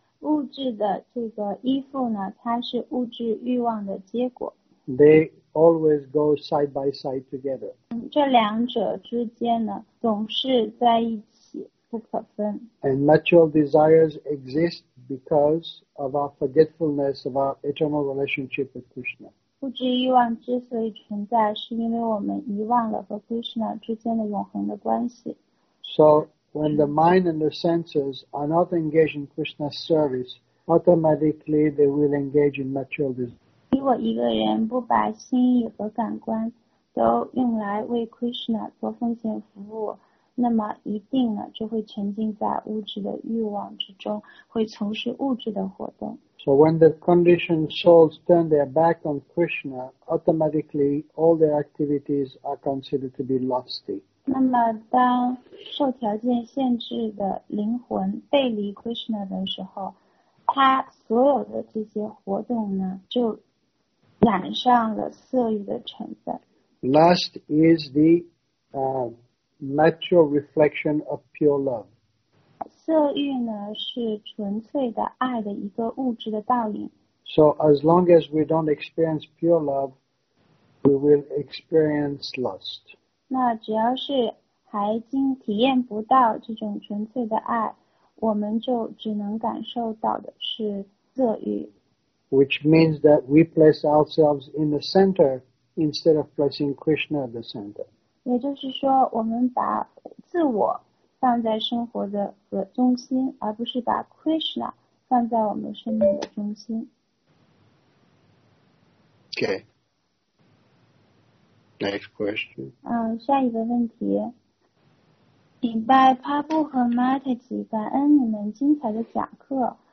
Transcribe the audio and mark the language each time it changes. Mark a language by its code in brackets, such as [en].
[zh] 物质的这个依附呢，它是物质欲望的结果。 [en] they always go side by side together. [zh] 这两者之间呢，总是在一起，不可分。 [en] And material desires exist because of our forgetfulness of our eternal relationship with Krishna. [zh] 物质欲望之所以存在，是因为我们遗忘了和 Krishna 之间的永恒的关系。 [en] So when the mind and the senses are not engaged in Krishna's service, automatically they will engage in material desires. [zh] 如果一个人不把心意和感官都用来为 Krishna 做奉献服务，那么一定呢就会沉浸在物质的欲望之中，会从事物质的活动。 [en] So when the conditioned souls turn their back on Krishna, automatically all their activities are considered to be lusty. [zh] 那么当受条件限制的灵魂背离 Krishna 的时候，他所有的这些活动呢就染上了色欲的成分。 [en] Lust is the natural reflection of pure love. [zh] 色欲呢是纯粹的爱的一个物质的倒影。 [en] So as long as we don't experience pure love, we will experience lust. [zh] 那只要是还经体验不到这种纯粹的爱，我们就只能感受到的是色欲。 [en] Which means that we place ourselves in the center instead of placing Krishna at the center. [zh] 也就是说，我们把自我放在生活的中心，而不是把 Krishna 放在我们生命的中心。 [en] Okay. Next question. [zh] 下一个问题。请拜帕布和 Mataji 感恩你们精彩的讲课。